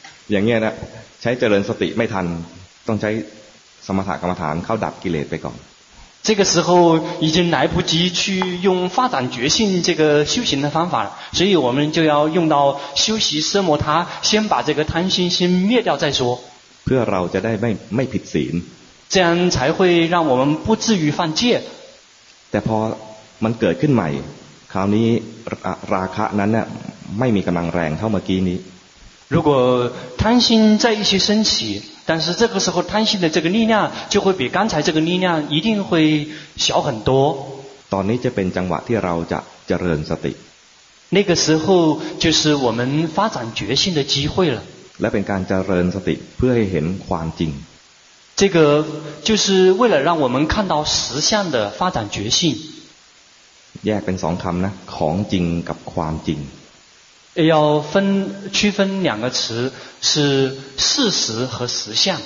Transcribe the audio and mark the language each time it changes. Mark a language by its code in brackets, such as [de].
[th] อย่างเงี้ยนะใช้เจริญสติไม่ทันต้องใช้สมถะกรรมฐานเข้าดับกิเลสไปก่อน [zh] 这个时候已经来不及去用发展觉性这个修行的方法了所以我们就要用到修习奢摩他先把这个贪心先灭掉再说 [th] เพื่อเราจะได้ไม่ผิดศีล [zh] 这样才会让我们不至于犯戒 [th] แต่พอมันเกิดขึ้นใหม่คราวนี้ราคะนั้นเนี่ยไม่มีกำลังแรงเท่าเมื่อกี้นี้ [zh] 如果贪心再一些升起但是这个时候贪心的这个力量就会比刚才这个力量一定会小很多 [th] ตอนนี้จะเป็นจังหวะที่เราจะเจริญสติ [zh] 那个时候就是我们发展觉性的机会了 [th] และเป็นการเจริญสติเพื่อให้เห็นความจริง [zh] 这个就是为了让我们看到实相的发展觉性 [th] แยกเป็นสองคำนะของจริงกับความจริง [zh] 要分区分两个词是事实和实相